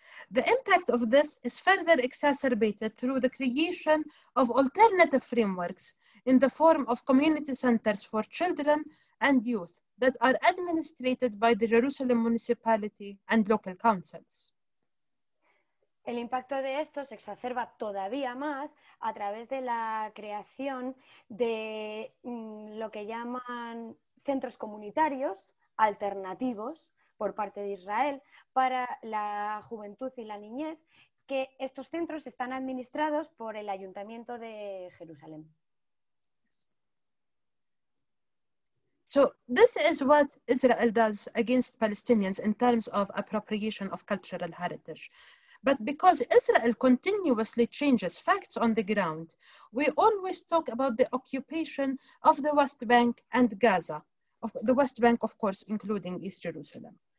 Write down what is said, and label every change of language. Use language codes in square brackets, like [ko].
[en] The impact of this is further exacerbated through the creation of alternative frameworks in the form of community centers for children and youth that are administrated by the Jerusalem municipality and local councils. [es] El impacto de esto se exacerba todavía más a través de la creación de lo que llaman centros comunitarios alternativos por parte de Israel, para la juventud y la niñez, que estos centros están administrados por el Ayuntamiento de Jerusalén. [en] So this is what Israel does against Palestinians in terms of appropriation of cultural heritage. But because Israel continuously changes facts on the ground, we always talk about the occupation of the West Bank and Gaza, of the West Bank, of course, including East Jerusalem.